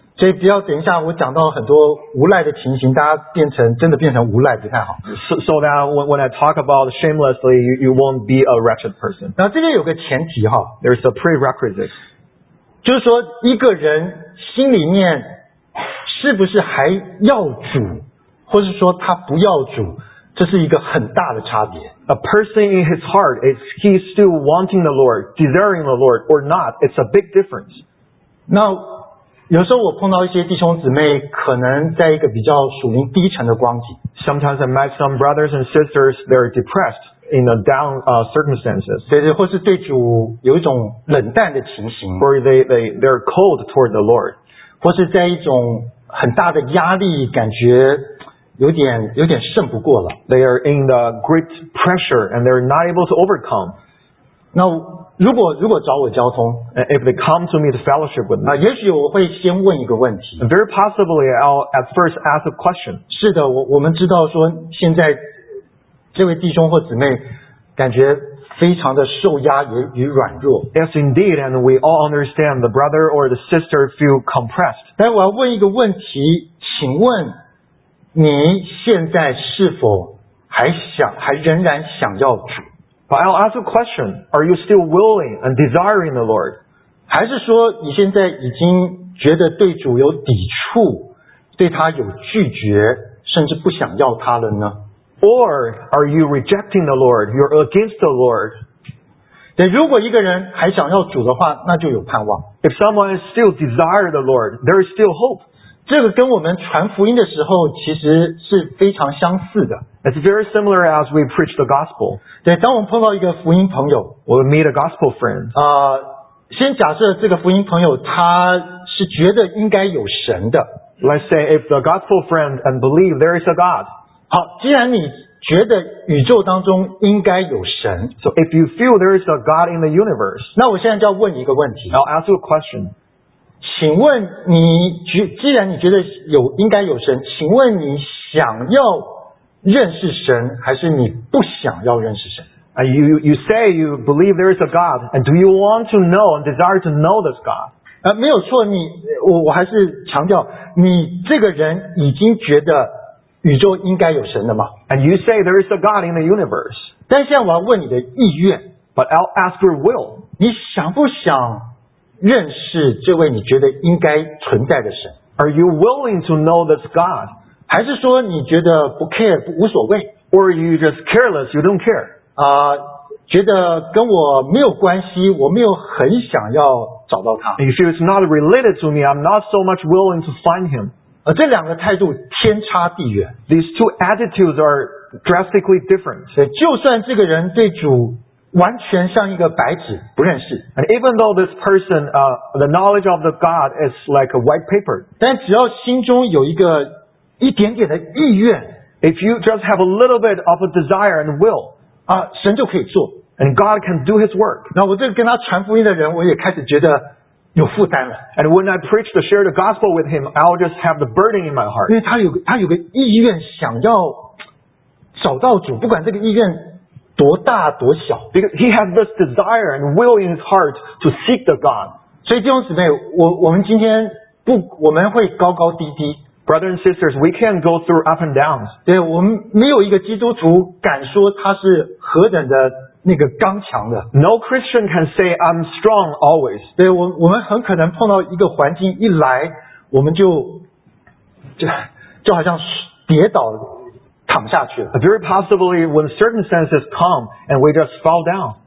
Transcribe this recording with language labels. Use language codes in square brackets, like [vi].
[zh] 所以不要等一下我讲到很多无赖的情形，大家变成真的变成无赖不太好。 [en] So that when I talk about shamelessly, you won't be a wretched person. [zh] 那这边有个前提哈。 [en] There's a prerequisite. [zh] 就是说一个人心里面是不是还要主，或是说他不要主，这是一个很大的差别。 [en] A person in his heart, is he still wanting the Lord, desiring the Lord or not? It's a big difference. [zh] 那有时候我碰到一些弟兄姊妹可能在一个比较属灵低沉的光景。 [en] Sometimes I met some brothers and sisters, they're depressed in a down, circumstances. [zh] 对对，或是对主有一种冷淡的情形。 [en] Or they're cold toward the Lord. [zh] 或是在一种很大的压力感觉有点胜不过了。 [en] They are in the great pressure and they're not able to overcome. [zh] 那如果找我交通 [en] ，if they come to me to fellowship with me， [zh] 也许我会先问一个问题。 [en] Very possibly I'll at first ask a question。 [zh] 是的，我们知道说现在这位弟兄或姊妹感觉非常的受压与软弱。 [en] Yes, indeed, and we all understand the brother or the sister feel compressed。 [zh] 但我要问一个问题，请问你现在是否还仍然想要主？ [en] But I'll ask a question. Are you still willing and desiring the Lord? [zh] 还是说你现在已经觉得对主有抵触，对他有拒绝，甚至不想要他了呢？ [en] Or are you rejecting the Lord? You're against the Lord. [zh] 对，如果一个人还想要主的话，那就有盼望。 [en] If someone still desires the Lord, there is still hope. [zh] 这个跟我们传福音的时候其实是非常相似的。 [en] It's very similar as we preach the gospel. [zh] 对，当我们碰到一个福音朋友 [en] ，we meet a gospel friend. [zh] 先假设这个福音朋友他是觉得应该有神的。 [en] Let's say if the gospel friend and believe there is a God. [zh] 好，既然你觉得宇宙当中应该有神 [en] ，so if you feel there is a God in the universe. [zh] 那我现在就要问你一个问题。 [en] I'll ask you a question. [zh] 请问你既然你觉得有应该有神，请问你想要？认识神还是你不想要认识神？ [en] You say you believe there is a God, and do you want to know and desire to know this God? [zh] 没有错，我还是强调，你这个人已经觉得宇宙应该有神了吗？ [en] And you say there is a God in the universe. [zh] 但现在我要问你的意愿。 [en] But I'll ask your will. [zh] 你想不想认识这位你觉得应该存在的神？ [en] Are you willing to know this God? [zh] 还是说你觉得不 care 不无所谓 [en] ，or you just careless you don't care [zh] 啊、觉得跟我没有关系，我没有很想要找到他。 [en] You feel it's not related to me, I'm not so much willing to find him。 [zh] 这两个态度天差地远。 [en] These two attitudes are drastically different。 [zh] 就算这个人对主完全像一个白纸不认识 [en] ，and even though this person the knowledge of the God is like a white paper， [zh] 但只要心中有一个一点点的意愿 [en] ，If you just have a little bit of a desire and will， [zh] 啊，神就可以做 [en] ，and God can do His work。 [zh] 那我这个跟他传福音的人，我也开始觉得有负担了。 [en] And when I preach to share the gospel with him, I'll just have the burden in my heart。 [zh] 因为他有个意愿想要找到主，不管这个意愿多大多小 [en] ，because he has this desire and will in his heart to seek the God。 [zh] 所以弟兄姊妹，我们今天不，我们会高高低低。 [en] Brothers and sisters, we can go through up and downs. [zh] 对，我们没有一个基督徒敢说他是何等的那个刚强的。 [en] No Christian can say I'm strong always. [zh] 对，我们很可能碰到一个环境一来，我们就好像跌倒躺下去了。 [en] Very possibly when circumstances come and we just fall down.